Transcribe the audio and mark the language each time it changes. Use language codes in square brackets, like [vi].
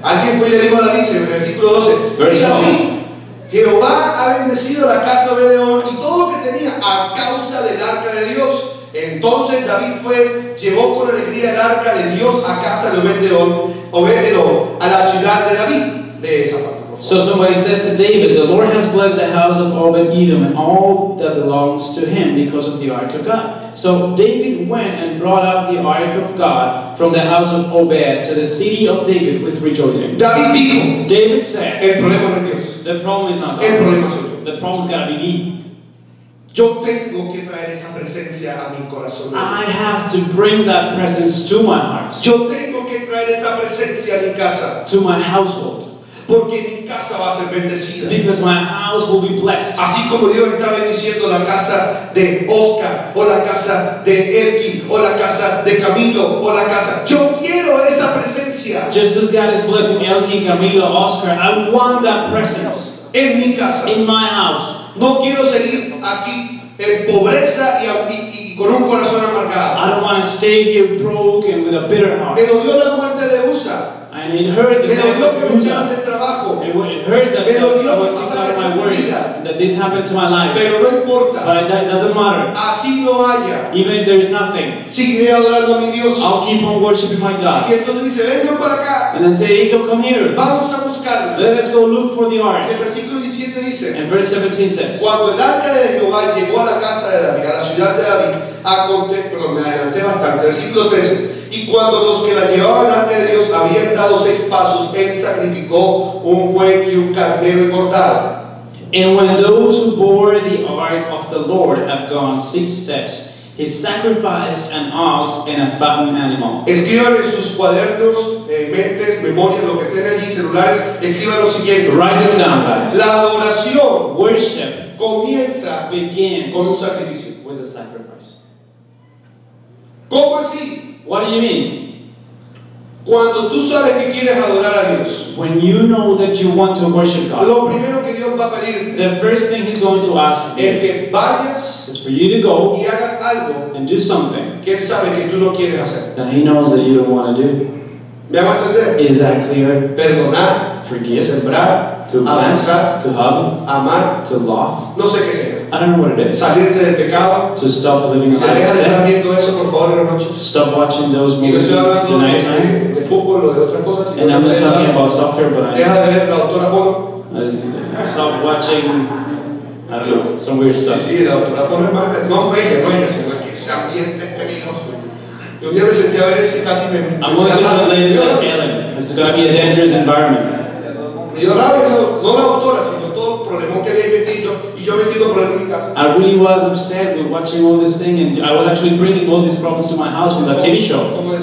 [es] Alguien fue y le dijo a David, en el versículo 12. [en] Verse 12. [es] Jehová ha bendecido la casa de Obed-Edom y todo lo que tenía a causa del arca de Dios. Entonces David fue, llevó con alegría el arca de Dios a casa de Obed-Edom, a la ciudad de David. De esa parte, por favor. [en] So somebody said to David, the Lord has blessed the house of Obed-Edom and all that belongs to him because of the ark of God. So David went and brought up the ark of God from the house of Obed to the city of David with rejoicing. [es] David dijo. [en] David said. [es] El problema no es Dios. [en] The problem is not God. [es] El problema es yo. [en] The problem's gotta be me. [es] Yo tengo que traer esa presencia a mi corazón. [en] I have to bring that presence to my heart. [es] Yo tengo que traer esa presencia a mi casa. [en] To my household. [es] Porque mi casa casa va a ser bendecida. [en] Because my house will be blessed. [es] Así como Dios está bendiciendo la casa de Oscar, o la casa de Elkin, o la casa de Camilo, o la casa. Yo quiero esa presencia. [en] Just as God is blessing Elkin, Camilo, Oscar, I want that presence. [es] En mi casa. [en] In my house. [es] No quiero seguir aquí en pobreza y con un corazón amargado. [en] I don't want to stay here broken with a bitter heart. [es] Me dolió la muerte de Usa. [en] And it hurt the that this happened to my life. [es] Pero no importa. [en] But it doesn't matter. [es] Así no haya. [en] Even if there's nothing. [es] Seguiré adorando a mi Dios. [en] I'll keep on worshiping my God. [es] Y entonces dice, ven para acá. [en] And then say, Jacob, come here. [es] Vamos a buscarla. [en] Let us go look for the ark. [es] El versículo 17 dice, [en] and verse 17 says, [es] cuando el arca de Jehová llegó a la casa de David, a la ciudad de David, me adelanté bastante. Versículo 13. Y cuando los que la llevaban ante Dios habían dado 6 pasos, él sacrificó un buey y un carnero inmortal. [en] And when those who bore the ark of the Lord had gone 6 steps, he sacrificed an ox and a fattened animal. [es] Escriban en sus cuadernos, mentes, memorias, lo que tienen allí, celulares, escriban lo siguiente. [en] Write this down, guys. [es] La adoración, [en] worship, [es] comienza, [en] begins, [es] con un sacrificio. [en] With a sacrifice. [es] ¿Cómo así? [en] What do you mean? [es] Cuando tú sabes que quieres adorar a Dios, [en] when you know that you want to worship God, [es] lo primero que Dios va a pedirte, [en] the first thing He's going to ask [es] es que vayas, [en] is for you to go [es] y hagas algo, [en] and do something [es] que Él sabe que tú no quieres hacer, [en] that He knows that you don't want to do. [es] ¿Me va a entender? [en] Is that clear? [es] Perdonar, [en] forgive, [es] sembrar, [en] to bless, to hug, [es] amar, [en] to love. [es] No sé qué sea. [en] I don't know what it is. [es] Salirte del pecado. [en] To stop living in sin. [es] Se deja viendo eso, por favor, en la noche. [en] Stop watching those movies in the night time. [es] De fútbol o de otras cosas. [en] And I'm not talking about soccer, but [es] deja de ver la doctora Polo. [en] Stop watching, I don't know, some weird stuff. [es] Sí, la doctora Polo es más, no ve, no ve, sino que ese ambiente peligroso. [en] I'm going to tell you that Ellen, it's going to be a dangerous environment. I really was upset with watching all this thing, and I was actually bringing all these problems to my house from the TV show.